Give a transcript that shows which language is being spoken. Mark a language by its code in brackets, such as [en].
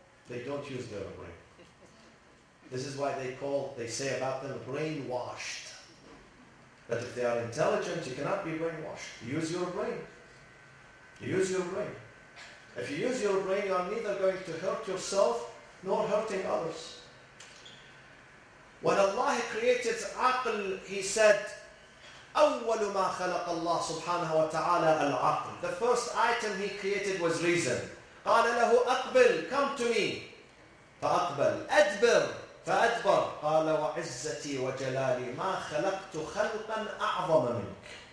[en] They don't use their brain. This is why they say about them brainwashed. That if they are intelligent, you cannot be brainwashed. Use your brain. If you use your brain, you are neither going to hurt yourself nor hurting others. When Allah created Aql, He said, [ar] أول ما خلق الله سبحانه وتعالى العقل. [en] The first item He created was reason. [ar] قال له أقبل, [en] come to me. [ar] فأقبل. أدبر, فأدبر. قال وعزتي وجلالي ما خلقت خلقا أعظم منك.